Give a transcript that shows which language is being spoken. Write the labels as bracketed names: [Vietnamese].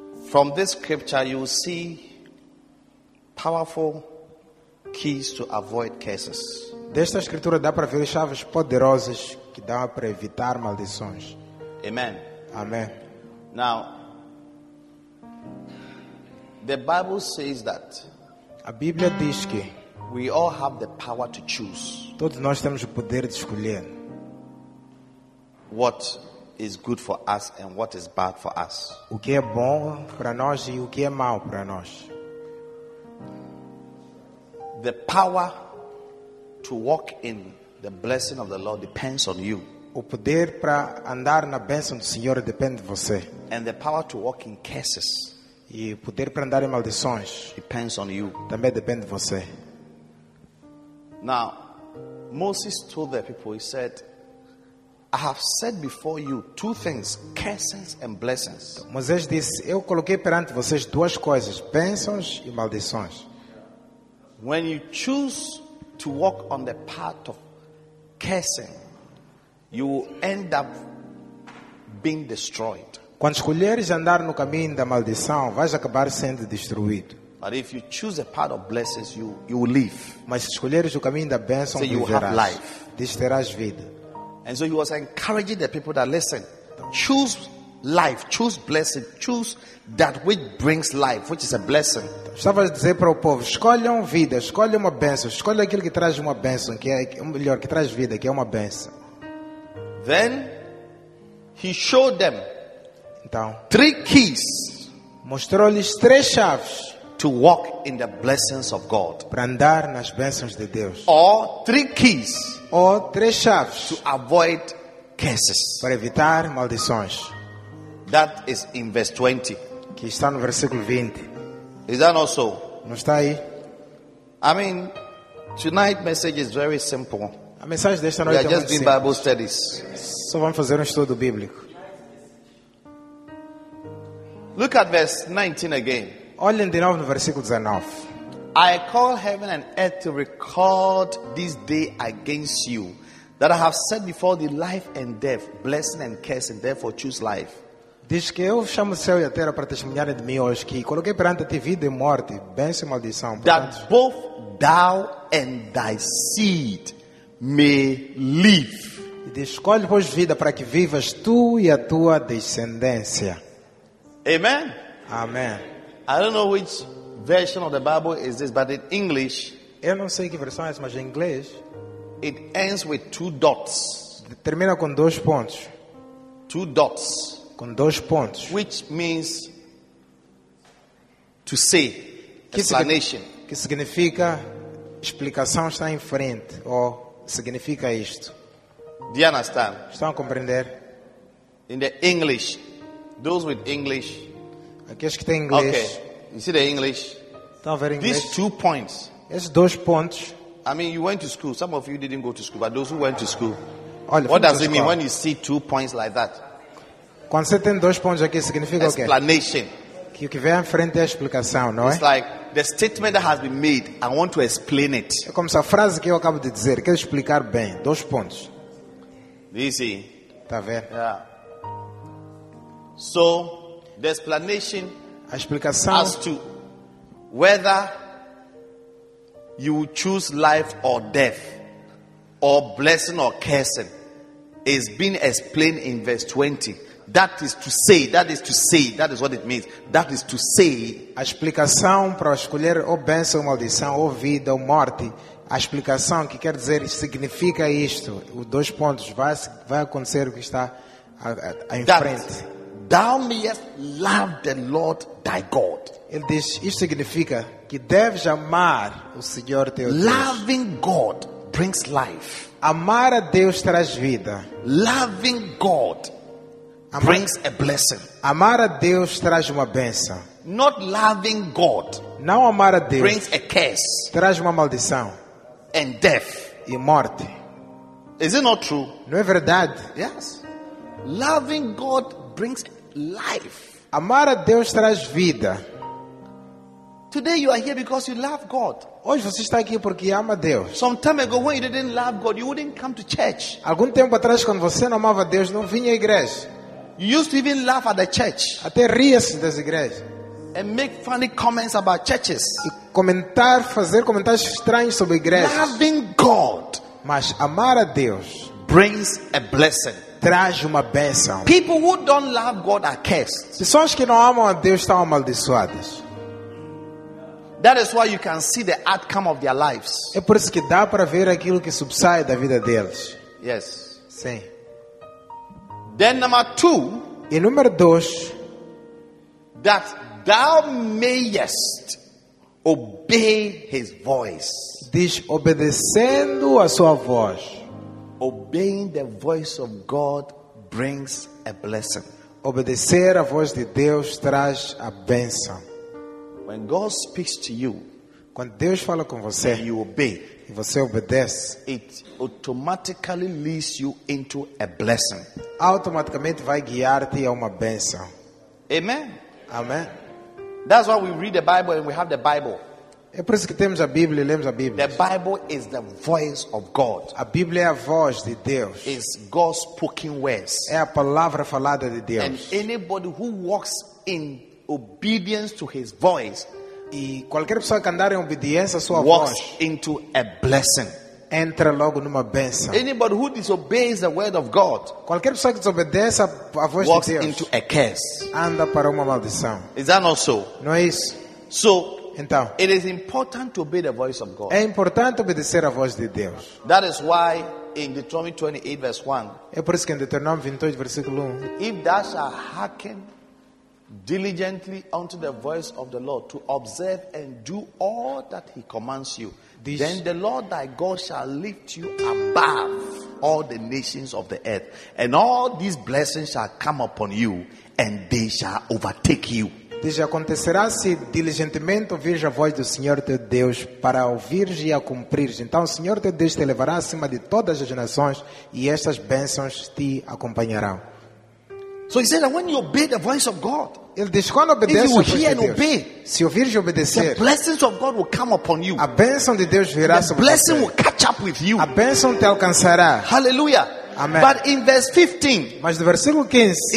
[English] from this scripture you will see powerful keys to avoid curses. [Portuguese] Desta escritura dá para ver chaves poderosas que dá para evitar maldições. [English] Amen. [Portuguese] Amém. [English] Now, the Bible says that. [Portuguese] A Bíblia diz que [English] we all have the power to choose. [Portuguese] Todos nós temos o poder de escolher [English] what is good for us and what is bad for us. [Portuguese] O que é bom para nós e o que é mau para nós. [English] The power to walk in the blessing of the Lord depends on you. [Portuguese] O poder para andar na bênção do Senhor depende de você. [English] And the power to walk in curses. [Portuguese] E o poder para andar em maldições [English] depends on you. [Portuguese] Também depende de você. [English] Now, Moses told the people, he said, I have said before you two things, curses and blessings. [Portuguese] Moisés disse, eu coloquei perante vocês duas coisas, bênçãos e maldições. [English] When you choose to walk on the path of cursing, you will end up being destroyed. [Portuguese] Quando escolheres andar no caminho da maldição, vais acabar sendo destruído. [English] But if you choose a path of blessings, you will live. [Portuguese] Mas se escolheres o caminho da bênção, [English] so [Portuguese] viverás. Terás vida. [English] And so he was encouraging the people that listen, choose life, choose blessing, choose that which brings life, which is a blessing. [Portuguese] Estava a dizer para o povo, escolham vida, escolham uma bênção, escolham aquilo que traz uma bênção, que é melhor, que traz vida, que é uma bênção. [English] Then he showed them, [Portuguese] então, [English] three keys, [Portuguese] mostrou-lhes três chaves [English] to walk in the blessings of God, [Portuguese] para andar nas bênçãos de Deus. [English] Or three keys, [Portuguese] ou três chaves [English] to avoid curses, [Portuguese] para evitar maldições. [English] That is in verse 20. [Portuguese] Que está no versículo 20. [English] Is that not so? [Portuguese] Não está aí? [English] I mean, tonight's message is very simple. [Portuguese] A mensagem desta noite [English] we are just doing Bible studies. [Portuguese] Só vamos fazer estudo bíblico. [English] Look at verse 19 again. [Portuguese] Olhem de novo no versículo 19. [English] I call heaven and earth to record this day against you, that I have set before thee life and death, blessing and curse, and therefore choose life. [Portuguese] Diz que eu chamo o céu e a terra para testemunharem de mim hoje que coloquei perante a ti vida e morte, bênção e maldição. Portanto, [English] that both thou and thy seed may live. [Portuguese] E diz, escolhe pois vida para que vivas tu e a tua descendência. [English] Amen. [Portuguese] Amen. [English] I don't know which version of the Bible is this, but in English, [Portuguese] Eu não sei que versão é essa, mas em inglês. [English] It ends with two dots. [Portuguese] Termina com dois pontos. [English] Two dots. [Portuguese] Com dois pontos. [English] Which means to say, explanation. [Portuguese] Que significa explicação está em frente, ou significa isto. [English] Do you understand? [Portuguese] Estão a compreender? [English] In the English, those with English. [Portuguese] Aqueles que têm inglês. [English] Okay. You see the English? [Portuguese] Estão a ver inglês? [English] These two points. [Portuguese] Esses dois pontos. [English] I mean, you went to school. Some of you didn't go to school, but those who went to school. [Portuguese] Olha, [English] what does it mean when you see two points like that? [Portuguese] Quando você tem dois pontos aqui, significa [English] explanation. [Portuguese] O quê? [English] Explanation. [Portuguese] Que o que vem à frente é a explicação, não é? [English] It's like the statement that has been made. I want to explain it. [Portuguese] É como se a frase que eu acabo de dizer, quero explicar bem. Dois pontos. [English] Easy. [Portuguese] Tá vendo? [English] Yeah. So, the explanation. [Portuguese] A explicação. [English] As to whether you will choose life or death, or blessing or cursing, is being explained in verse 20. That is to say, that is to say, that is what it means. That is to say. [Portuguese] A explicação para escolher ou bênção ou maldição, ou vida ou morte. A explicação que quer dizer significa isto. Os dois pontos. Vai acontecer o que está em frente. [English] Thou mayest love the Lord thy God. [Portuguese] Ele diz, isto significa que deves amar o Senhor teu Deus. [English] Loving God brings life. [Portuguese] Amar a Deus traz vida. [English] Loving God brings a blessing. [Portuguese] Amar a Deus traz uma bênção. [English] Not loving God. [Portuguese] Não amar a Deus [English] brings a curse. [Portuguese] Traz uma maldição. [English] And death. [Portuguese] E morte. [English] Is it not true? [Portuguese] Não é verdade? [English] Yes. Loving God brings life. [Portuguese] Amar a Deus traz vida. [English] Today you are here because you love God. [Portuguese] Hoje você está aqui porque ama Deus. [English] Some time ago when you didn't love God, you wouldn't come to church. [Portuguese] Algum tempo atrás quando você não amava Deus, não vinha à igreja. [English] You used to even laugh at the church. [Portuguese] Até ria-se das igrejas. [English] And make funny comments about churches. [Portuguese] E fazer comentários estranhos sobre igrejas. [English] Loving God. [Portuguese] Mas amar a Deus [English] brings a blessing. [Portuguese] Traz uma bênção. [English] People who don't love God are cursed. [Portuguese] Pessoas que não amam a Deus estão amaldiçoadas. [English] That is why you can see the outcome of their lives. [Portuguese] É por isso que dá para ver aquilo que subsai da vida deles. [English] Yes. [Portuguese] Sim. [English] Then number two. [Portuguese] E número dois. [English] That thou mayest obey his voice. [Portuguese] Diz, obedecendo a sua voz. [English] Obeying the voice of God brings a blessing. [Portuguese] Obedecer a voz de Deus traz a bênção. [English] When God speaks to you, [Portuguese] quando Deus fala com você, [English] and you obey, [Portuguese] e você obedece, [English] it automatically leads you into a blessing. [Portuguese] Automaticamente vai guiar-te a uma bênção. [English] Amen. [Portuguese] Amen. [English] That's why we read the Bible and we have the Bible. [Portuguese] É por isso que temos a Bíblia e lemos a Bíblia. [English] The Bible is the voice of God. [Portuguese] A Bíblia é a voz de Deus. [English] It's God's spoken words. [Portuguese] É a palavra falada de Deus. [English] And anybody who walks in obedience to his voice, [Portuguese] e qualquer pessoa que andar em obediência à sua [English] walks [Portuguese] voz, [English] into a blessing. [Portuguese] Entra logo numa bênção. [English] Anybody who disobeys the word of God, [Portuguese] qualquer pessoa que desobedece a voz [English] walks [Portuguese] de Deus, [English] into a curse. [Portuguese] Anda para uma maldição. [English] Is that not so? [Portuguese] Não é isso? [English] So, [Portuguese] então, [English] it is important to obey the voice of God. [Portuguese] É importante obedecer a voz de Deus. [English] That is why in Deuteronomy 28 verse 1. [Portuguese] É por isso que em Deuteronômio 28 versículo 1. [English] If thou shalt hearken diligently unto the voice of the Lord to observe and do all that he commands you, [Portuguese] diz, [English] then the Lord thy God shall lift you above all the nations of the earth, and all these blessings shall come upon you, and they shall overtake you. [Portuguese] Diz, acontecerá se diligentemente ouvires a voz do Senhor teu Deus para ouvires e a cumprires. Então o Senhor teu Deus te levará acima de todas as nações e estas bênçãos te acompanharão. [English] So he said that when you obey the voice of God, [Portuguese] ele diz, quando obedece, [English] if you [Portuguese] a voz [English] hear and [Portuguese] Deus, [English] obey, [Portuguese] se ouvir e obedecer, [English] the blessings of God will come upon you. [Portuguese] A bênção de Deus virá sobre você. [English] The blessing will catch up with you. [Portuguese] A bênção te alcançará. [English] Hallelujah. [Portuguese] Amen. [English] But in verse 15, [Portuguese] mas no versículo 15,